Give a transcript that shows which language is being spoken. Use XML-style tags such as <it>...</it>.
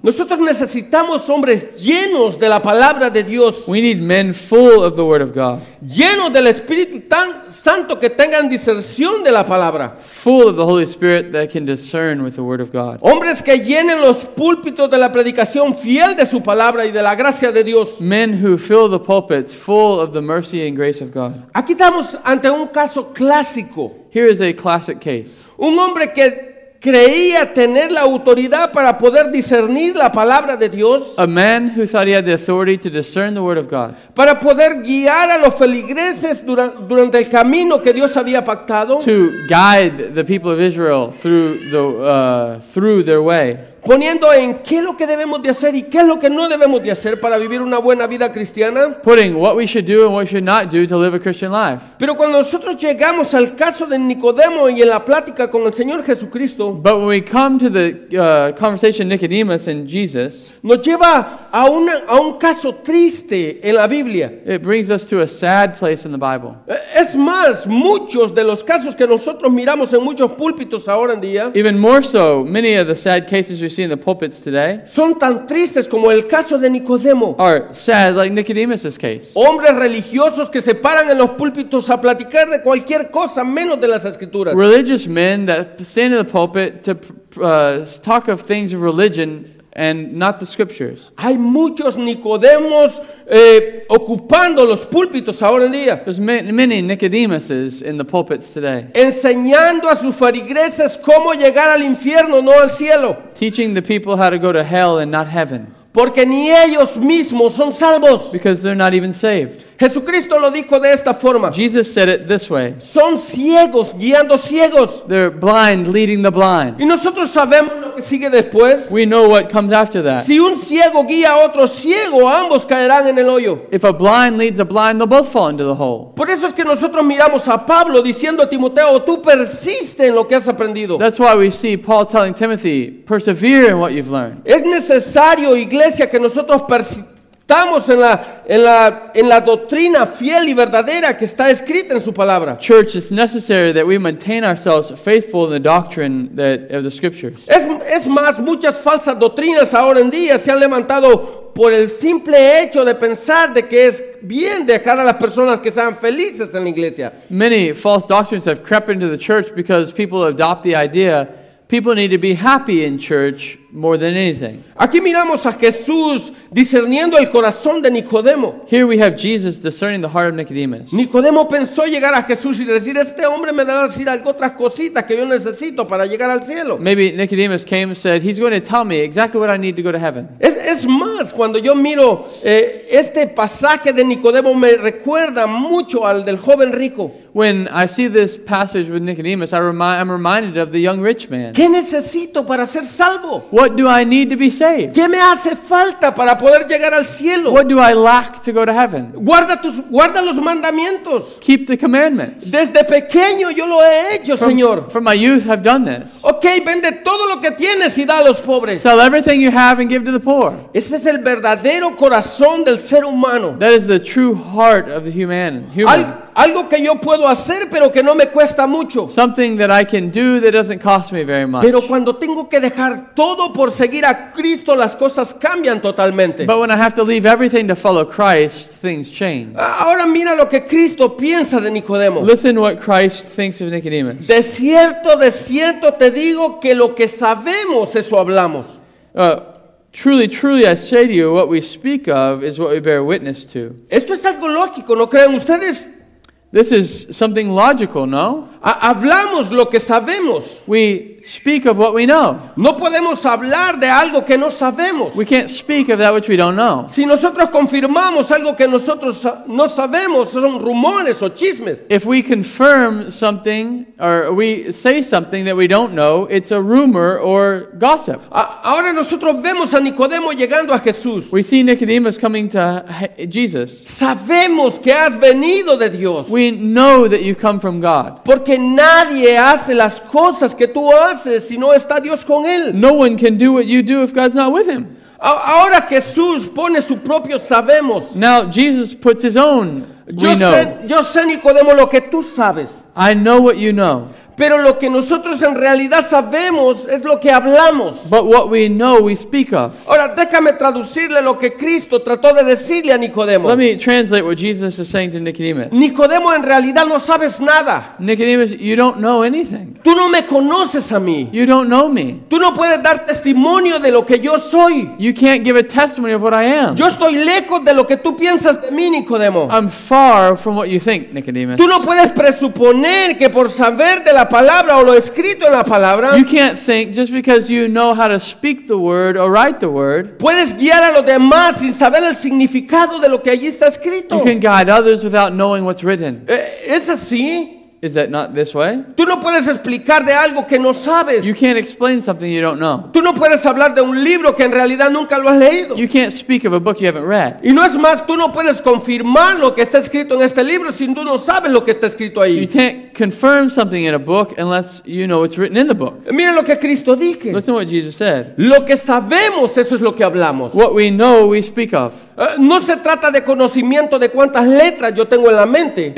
<es>Nosotros necesitamos hombres llenos de la palabra de Dios.</es> <en>We need men full of the word of God.</en> <es>Llenos del Espíritu Santo que tengan discernción de la palabra.</es> <en>Full of the Holy Spirit that can discern with the word of God.</en> <es>Hombres que llenen los púlpitos de la predicación fiel de su palabra y de la gracia de Dios.</es> <en>Men who fill the pulpits full of the mercy and grace of God.</en> <es>Aquí estamos ante un caso clásico.</es> <en>Here is a classic case.</en> <es>Un hombre que creía tener la autoridad para poder discernir la palabra de Dios.</es> <en>A man who thought he had the authority to discern the word of God.</en> <es>Para poder guiar a los feligreses durante el camino que Dios había pactado.</es> <en>To guide the people of Israel through their way.</en> <es>Poniendo en qué es lo que debemos de hacer y qué es lo que no debemos de hacer para vivir una buena vida cristiana.</es> <en>Putting what we should do and what we should not do to live a Christian life.</en> <es>Pero cuando nosotros llegamos al caso de Nicodemo y en la plática con el Señor Jesucristo.</es> <en>But when we come to the conversation Nicodemus and Jesus.</en> <es>Nos lleva a un caso triste en la Biblia.</es> <en>It brings us to a sad place in the Bible.</en> <es>Es más, muchos de los casos que nosotros miramos en muchos púlpitos ahora en día.</es> <en>Even more so, many of the sad cases we see in the pulpits today.</en> <es>Son tan tristes como el caso de Nicodemo.</es> <en>Are sad like Nicodemus's case.</en> <es>Hombres religiosos que se paran en los púlpitos a platicar de cualquier cosa menos de las escrituras.</es> <en>Religious men that stand in the pulpit to talk of things of religion and not the scriptures.</en> <es>Hay muchos Nicodemos ocupando los púlpitos ahora en día.</es> <en>There's many Nicodemuses in the pulpits today.</en> <es>Enseñando a sus feligreses cómo llegar al infierno, no al cielo.</es> <en>Teaching the people how to go to hell and not heaven.</en> <es>Porque ni ellos mismos son salvos.</es> <en>Because they're not even saved.</en> <es>Jesucristo lo dijo de esta forma.</es> <en>Jesus said it this way.</en> <es>Son ciegos guiando ciegos.</es> <en>They're blind leading the blind.</en> <es>Y nosotros sabemos lo que sigue después.</es> <en>We know what comes after that.</en> <es>Si un ciego guía a otro ciego, ambos caerán en el hoyo.</es> <en>If a blind leads a blind, they'll both fall into the hole.</en> <es>Por eso es que nosotros miramos a Pablo diciendo a Timoteo, tú persiste en lo que has aprendido.</es> <en>That's why we see Paul telling Timothy, persevere in what you've learned.</en> <es>Es necesario, iglesia, que nosotros persistamos. Estamos en la doctrina fiel y verdadera que está escrita en su palabra.</es> <en>Church, it's necessary that we maintain ourselves faithful in the doctrine that of the scriptures.</en> <es>Es más, muchas falsas doctrinas ahora en día se han levantado por el simple hecho de pensar de que es bien dejar a las personas que sean felices en la iglesia.</es> <en>Many false doctrines have crept into the church because people adopt the idea people need to be happy in church more than anything.</en> <es>Aquí miramos a Jesús discerniendo el corazón de Nicodemo.</es> <en>Here we have Jesus discerning the heart of Nicodemus.</en> <es>Nicodemo pensó llegar a Jesús y decir, este hombre me va a decir otras cositas que yo necesito para llegar al cielo.</es> <en>Maybe Nicodemus came and said, he's going to tell me exactly what I need to go to heaven.</en> <es>Es más, cuando yo miro este pasaje de Nicodemo me recuerda mucho al del joven rico.</es> <en>When I see this passage with Nicodemus, I'm reminded of the young rich man.</en> <es>¿Qué necesito para ser salvo?</es> <en>What do I need to be saved?</en> <es>¿Qué me hace falta para poder llegar al cielo?</es> <en>What do I lack to go to heaven?</en> <es>Guarda los mandamientos.</es> <en>Keep the commandments.</en> <es>Desde pequeño yo lo he hecho, Señor.</es> <en>From my youth I've done this.</en> <es>Okay, vende todo lo que tienes y da a los pobres.</es> <en>Sell everything you have and give to the poor.</en> <es>Ese es el verdadero corazón del ser humano.</es> <en>That is the true heart of the human.</en> <es>Algo que yo puedo hacer pero que no me cuesta mucho.</es> <en>Something that I can do that doesn't cost me very much.</en> <es>Pero cuando tengo que dejar todo por seguir a Cristo, las cosas cambian totalmente.</es> <en>But when I have to leave everything to follow Christ, things change.</en> <es>Ahora mira lo que Cristo piensa de Nicodemo.</es> <en>Listen what Christ thinks of Nicodemus.</en> <es>De cierto te digo que lo que sabemos, eso hablamos.</es> <en>Truly, truly, I say to you, what we speak of is what we bear witness to.</en> <es>Esto es algo lógico, ¿no creen ustedes?</es> <en>This is something logical, no?</en> <es>Hablamos lo que sabemos.</es> <en>We speak of what we know.</en> <es>No podemos hablar de algo que no sabemos.</es> <en>We can't speak of that which we don't know.</en> <es>Si nosotros confirmamos algo que nosotros no sabemos, son rumores o chismes.</es> <en>If we confirm something or we say something that we don't know, it's a rumor or gossip.</en> <es>Ahora nosotros vemos a Nicodemo llegando a Jesús.</es> <en>We see Nicodemus coming to Jesus.</en> <es>Sabemos que has venido de Dios.</es> <en>We know that you've come from God.</en> <es>Porque nadie hace las cosas que tú haces si no está Dios con él.</es> <en>No one can do what you do if God's not with him.</en> <es>Ahora Jesús pone su propio sabemos.</es> <en>Now Jesus puts his own.</en> <es>Yo sé, Nicodemo, lo que tú sabes.</es> <en>I know what you know.</en> <es>Pero lo que nosotros en realidad sabemos es lo que hablamos.</es> <en>But what we know, we speak of.</en> <es>Ahora déjame traducirle lo que Cristo trató de decirle a Nicodemo.</es> <en>Let me translate what Jesus is saying to Nicodemus.</en> <es>Nicodemo, en realidad no sabes nada.</es> <en>Nicodemus, you don't know anything.</en> <es>Tú no me conoces a mí.</es> <en>You don't know me.</en> <es>Tú no puedes dar testimonio de lo que yo soy.</es> <en>You can't give a testimony of what I am.</en> <es>Yo estoy lejos de lo que tú piensas de mí, Nicodemo.</es> <en>I'm far from what you think, Nicodemus.</en> <es>Tú no puedes presuponer que por saber de la palabra o lo escrito en la palabra,</es> <en>you can't think just because you know how to speak the word or write the word,</en> <es>puedes guiar a los demás sin saber el significado de lo que allí está escrito.</es> <en>You can guide others without knowing what's written.</en> <es>¿Es así?</es> <en>Is that not this way?</en> <es>Tú no puedes explicar de algo que no sabes.</es> <en>You can't explain something you don't know.</en> <es>Tú no puedes hablar de un libro que en realidad nunca lo has leído.</es> <en>You can't speak of a book you haven't read.</en> <es>Y no es más, tú no puedes confirmar lo que está escrito en este libro si tú no sabes lo que está escrito ahí.</es> <en>You can't confirm something in a book unless you know it's written in the book.</en> <es>Mira lo que Cristo dice.</es> <en>Listen to what Jesus said.</en> <es>Lo que sabemos, eso es lo que hablamos.</es> <en>What we know, we speak of.</en> <es>No se trata de conocimiento de cuántas letras yo tengo en la mente.</es>